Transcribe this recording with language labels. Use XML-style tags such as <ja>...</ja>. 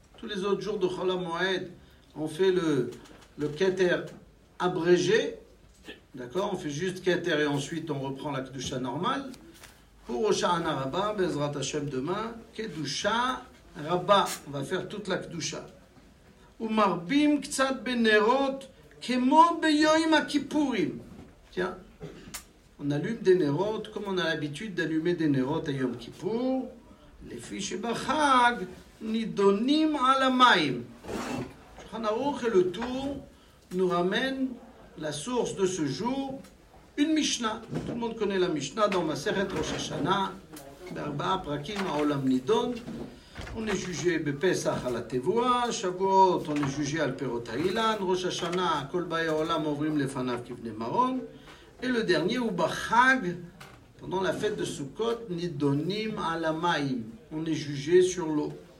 <fr>Tous les autres jours de Chol HaMoed, on fait le keter abrégé. D'accord? On fait juste keter et ensuite on reprend la kedusha normale. Pour Hoshana Rabba, Bezrat Hashem demain, kedusha rabba. On va faire toute la kedusha.</fr> <he>ומרבים קצת בנרות כמו ביום הכיפורים.</he> <fr>Tiens, on allume des nerot comme on a l'habitude d'allumer des nerot à Yom Kippour.</fr> <he>לפי שבחג נידונים על המים.</he> <fr>Shulchan Aruch et le Tour nous ramène la source de ce jour, une Mishnah. Tout le monde connaît la Mishnah dans Maseret Rosh Hashanah,</fr> <he>בארבעה פרקים העולם נידון.</he> <fr>On est jugé Bepesach à la Tevoa, Shavuot, on est jugé à l'Perot Ha'ilan, Rosh Hashanah,</fr> <he>Kol Baye Olam, Ovrim Lefanav Kivne Maron,</he> <fr>et le dernier, Ubachag, pendant la fête de Sukkot, Nidonim Alamaim, on est jugé sur l'eau.</fr>